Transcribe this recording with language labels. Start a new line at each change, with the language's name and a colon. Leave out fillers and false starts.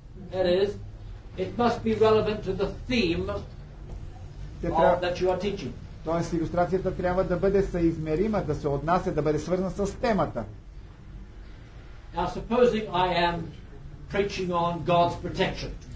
English: That is, it must be relevant to the theme that you are teaching.
Bulgarian: Тоест, илюстрацията трябва да бъде съизмерима, да се отнася, да бъде свързана с темата.
English: Now, supposing I am preaching on God's protection.